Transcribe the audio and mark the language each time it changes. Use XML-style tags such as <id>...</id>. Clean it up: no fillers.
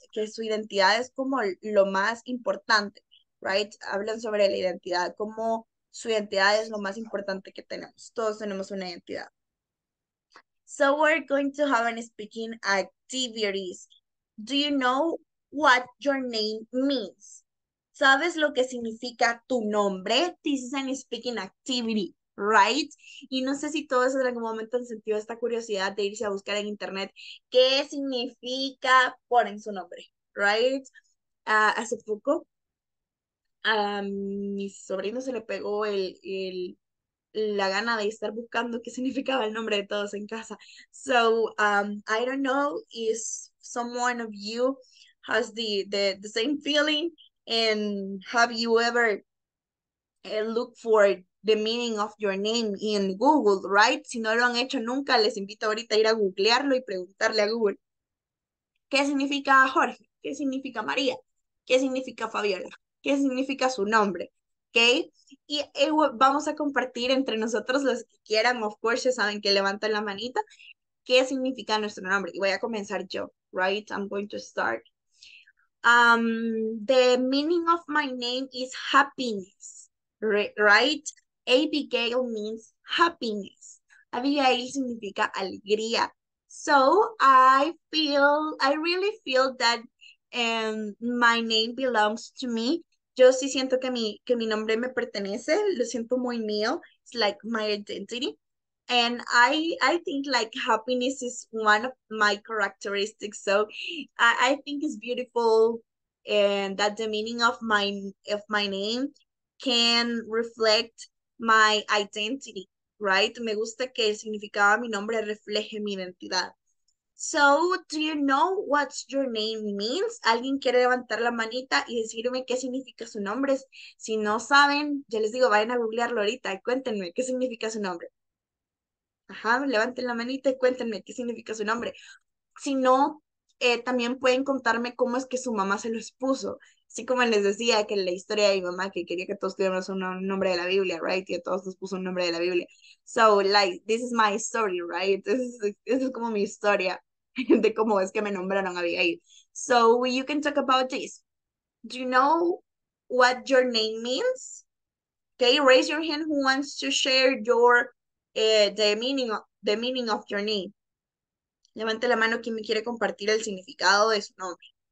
<es>Que su identidad es como lo más importante, right? Hablan sobre la identidad, como su identidad es lo más importante que tenemos. Todos tenemos una identidad.</es> <en>So, we're going to have an speaking activities. Do you know what your name means?</en> <es>¿Sabes lo que significa tu nombre?</es> <en>This is an speaking activity, right?</en> <es>Y no sé si todos en algún momento han sentido esta curiosidad de irse a buscar en internet qué significa poner su nombre, right? Hace poco, mi sobrino se le pegó la gana de estar buscando qué significaba el nombre de todos en casa.</es> <en>So, I don't know if someone of you has the same feeling, and have you ever looked for the meaning of your name in Google, right?</en> <es>Si no lo han hecho nunca, les invito ahorita a ir a googlearlo y preguntarle a Google, ¿qué significa Jorge? ¿Qué significa María? ¿Qué significa Fabiola? ¿Qué significa su nombre? Okay. Y vamos a compartir entre nosotros, los que quieran, of course, ya saben que levantan la manita, qué significa nuestro nombre. Y voy a comenzar yo,</es> <en>right? I'm going to start. The meaning of my name is happiness, right? Abigail means happiness.</en> <es>Abigail significa alegría.</es> <en>So I really feel that my name belongs to me.</en> <es>Yo sí siento que mi nombre me pertenece, lo siento muy mío,</es> <en>it's like my identity, and I think like happiness is one of my characteristics, so I think it's beautiful, and that the meaning of my name can reflect my identity, right?</en> <es>Me gusta que el significado de mi nombre refleje mi identidad.</es> <en>So, do you know what your name means?</en> <es>¿Alguien quiere levantar la manita y decirme qué significa su nombre? Si no saben, ya les digo, vayan a googlearlo ahorita y cuéntenme qué significa su nombre. Ajá, levanten la manita y cuéntenme qué significa su nombre. Si no, también pueden contarme cómo es que su mamá se los puso. Así como les decía que la historia de mi mamá, que quería que todos tuviéramos un nombre de la Biblia, right? Y a todos nos puso un nombre de la Biblia.</es> <en>So, like, this is my story, right? This is</en> <es>como mi historia de cómo es que me nombraron Abigail.</es> <en>So, you can talk about this. Do you know what your name means? Okay, raise your hand who wants to share the meaning of your name.</en> <es>Levante la mano quien me quiere compartir el significado de su nombre.</es>